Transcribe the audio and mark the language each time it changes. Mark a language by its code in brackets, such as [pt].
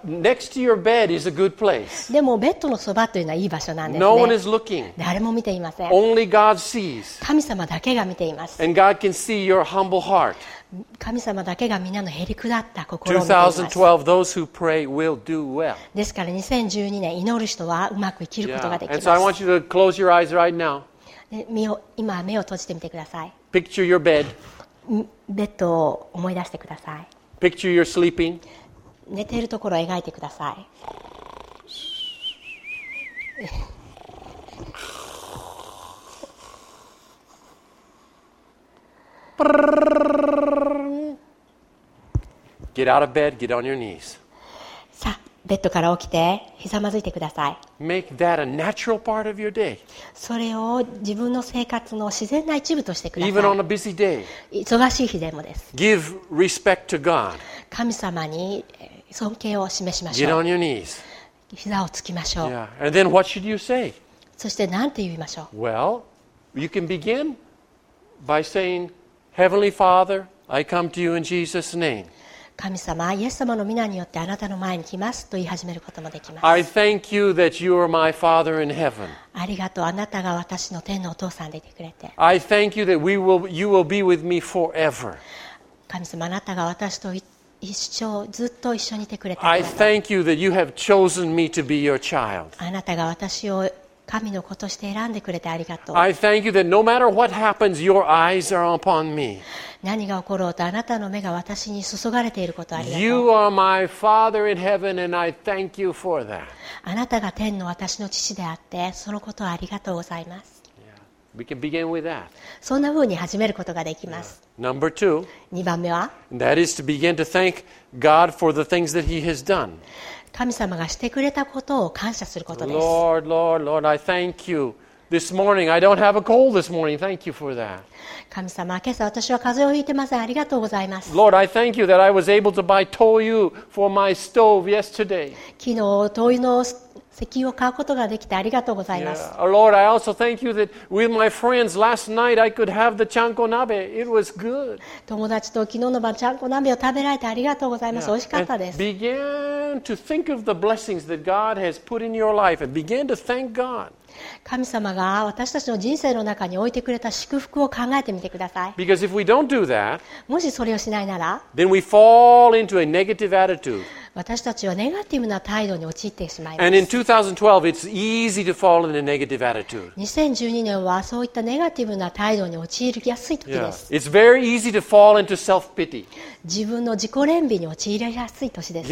[en] But next to your bed is a good place. [ja] でもベッドのそばというのはいい場所なんですね。 [en] No one is looking. [ja] 誰も見ていません。 [en] Only God sees. [ja] 神様だけが見ています。 [en] And God can see your humble heart. [ja] 神様だけがみんなのへりくだった心を見ています。 [en] 2012, those who pray will do well. [ja] ですから2012年祈る人はうまく生きることができます。 [en] And so I want you to close your eyes right now. [ja] 今目を閉じてみてください。 [en] Picture your bed. [ja] ベッドを思い出してください。 [en] Picture your sleeping. [ja] 寝ているところを描いてください。プルルルルルルルルルルルルルルルルルルルルルルルルルルルルルルルルルルルルルルルルルルルルルルルルルルルルルルルルルルルルルルルルルルルルルルルルルルルルルルルルルルルルルルルルルルルルルルルルルルルルルルルルルルルルルルルルルルルルルルル [en] ルBy saying, Heavenly Father, I come to you in Jesus' name. [ja] 神様、イエス様の御名によってあなたの前に来ますと言い始めることもできます。 [en] I thank you that you are my Father in heaven. [ja] ありがとう、あなたが私の天のお父さんでいてくれて。 [en] I thank you that you will be with me forever. [ja] 神様、あなたが私と一生ずっと一緒にいてくれて。 [en] I thank you that you have chosen me to be your child. [ja] あなたが私を神の子として選んでくれてありがとう。 [en] I thank you that no matter what happens, your eyes are upon me. [ja] 何が起ころうとあなたの目が私に注がれていることありがとう。 [en] You are my Father in heaven, and I thank you for that. [ja] あなたが天の私の父であって、そのことはありがとうございます。 [en] Yeah. We can begin with that. [ja] そんな風に始めることができます。 [en] Yeah. Number two. [ja] 二番目は。 [en] That is to begin to thank God for the things that He has done. [ja] 神様がしてくれたことを感謝することです。 [en] Lord, Lord, Lord, I thank you. This morning, I don't have a cold this morning. Thank you for that. [ja] 神様、今朝私は風邪をひいてません。ありがとうございます。 [en] Lord, I thank you that I was able to buy toyu for my stove yesterday. [ja] 昨日、灯油の石油を買うことができてありがとうございます。 [en] Yeah. Lord, I also thank you that with my friends last night, I could have the ちゃんこ鍋. It was good. [ja] 友達と昨日の晩ちゃんこ鍋を食べられてありがとうございます。Yeah. 美味しかったです。 [en] Begin to think of the blessings that God has put in your life and begin to thank God. [ja] 神様が私たちの人生の中に置いてくれた祝福を考えてみてください。 [en] Because if we don't do that, [ja] もしそれをしないなら、 [en] then we fall into a negative attitude. [ja] 私たちはネガティブな態度に陥ってしまいます。 [en] And in 2012, it's easy to fall into a negative attitude. [ja] 2012年はそういったネガティブな態度に陥りやすい時です。 [en] Yeah. It's very easy to fall into self-pity. [ja] 自分の自己憐憫に陥りやすい年です。